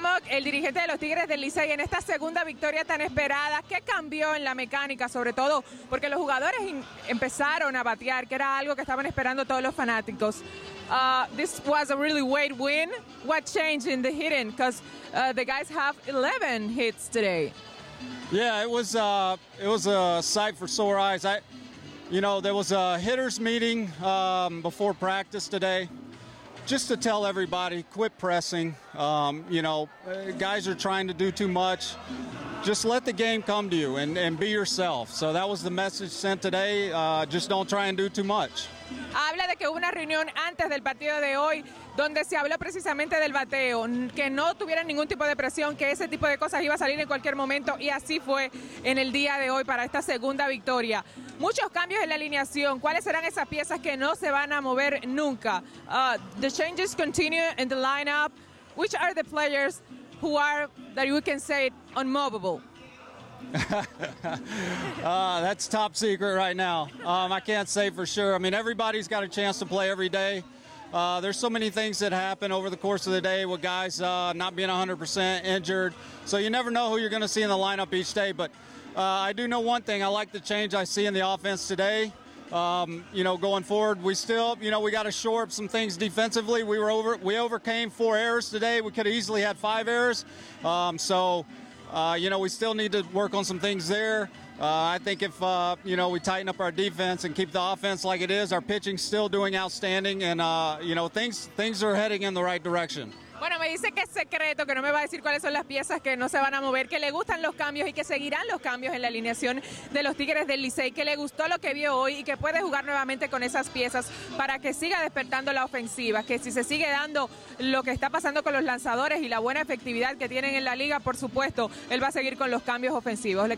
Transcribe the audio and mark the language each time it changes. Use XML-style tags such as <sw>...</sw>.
<es>el dirigente de los Tigres del Licey en esta segunda victoria tan esperada? ¿Qué cambió en la mecánica, sobre todo? Porque los jugadores empezaron a batear, que era algo que estaban esperando todos los fanáticos.</es> <en>This was a really great win. What changed in the hitting? Because the guys have 11 hits today. Yeah, it was a sight for sore eyes. There was a hitters meeting before practice today, just to tell everybody, quit pressing. Guys are trying to do too much. Just let the game come to you and be yourself. So that was the message sent today. Just don't try and do too much.</en> <es>Habla de que hubo una reunión antes del partido de hoy donde se habló precisamente del bateo, que no tuvieran ningún tipo de presión, que ese tipo de cosas iba a salir en cualquier momento, y así fue en el día de hoy para esta segunda victoria. Muchos cambios en la alineación. ¿Cuáles serán esas piezas que no se van a mover nunca?</es> <en>The changes continue in the lineup. Which are the players who are, that we can say, unmovable? That's top secret right now. I can't say for sure. I mean, everybody's got a chance to play every day. There's so many things that happen over the course of the day with guys not being 100% injured. So you never know who you're going to see in the lineup each day. But I do know one thing. I like the change I see in the offense today. Going forward, we still, we got to shore up some things defensively. We overcame four errors today. We could have easily had five errors. We still need to work on some things there. I think if, we tighten up our defense and keep the offense like it is, our pitching's still doing outstanding, and, things are heading in the right direction.</en> <es>Bueno, me dice que es secreto, que no me va a decir cuáles son las piezas que no se van a mover, que le gustan los cambios y que seguirán los cambios en la alineación de los Tigres del Licey, que le gustó lo que vio hoy y que puede jugar nuevamente con esas piezas para que siga despertando la ofensiva, que si se sigue dando lo que está pasando con los lanzadores y la buena efectividad que tienen en la liga, por supuesto, él va a seguir con los cambios ofensivos.</es>